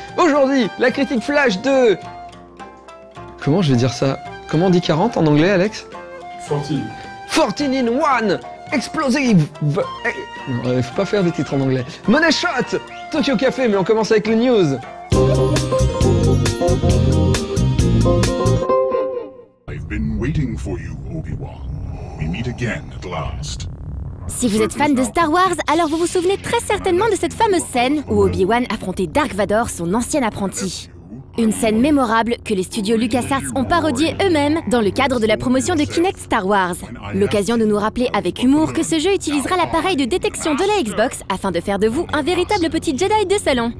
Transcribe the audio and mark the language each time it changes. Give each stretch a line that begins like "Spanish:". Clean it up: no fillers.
French: Aujourd'hui, la critique flash de... Comment je vais dire ça? Comment on dit 40 en anglais, Alex? 14. 14-in-1 Explosive. Non, faut pas faire des titres en anglais. Money Shot Tokyo Café, mais on commence avec les news.
English: I've been waiting for you, Obi-Wan. We meet again at last.
French: Si vous êtes fan de Star Wars, alors vous vous souvenez très certainement de cette fameuse scène où Obi-Wan affrontait Dark Vador, son ancien apprenti. Une scène mémorable que les studios LucasArts ont parodiée eux-mêmes dans le cadre de la promotion de Kinect Star Wars. L'occasion de nous rappeler avec humour que ce jeu utilisera l'appareil de détection de la Xbox afin de faire de vous un véritable petit Jedi de salon.